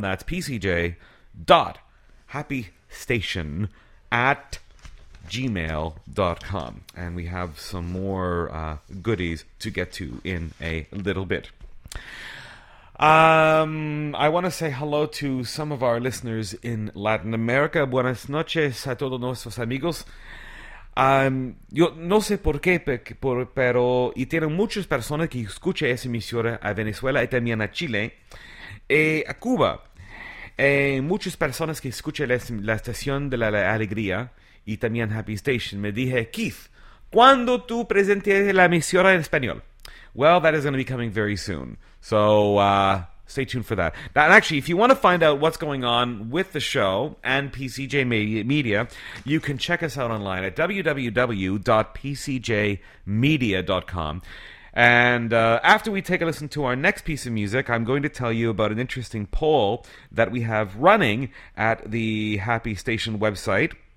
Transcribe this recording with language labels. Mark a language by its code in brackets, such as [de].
[en] That's pcj.happystation@gmail.com. And we have some more goodies to get to in a little bit. I want to say hello to some of our listeners in Latin America. [es] Buenas noches a todos nuestros amigos. Yo no sé por qué, pero y tienen muchas personas que escuchan esa emisión a Venezuela y también a Chile y a Cuba. Muchas personas que escuchan la estación de la alegría y también Happy Station. Me dije, Keith, ¿Cuándo tú presentes la emisión en español? [en] Well, that is going to be coming very soon. So stay tuned for that. Now, and actually, if you want to find out what's going on with the show and PCJ Media, you can check us out online at www.pcjmedia.com. And after we take a listen to our next piece of music, I'm going to tell you about an interesting poll that we have running at the Happy Station website.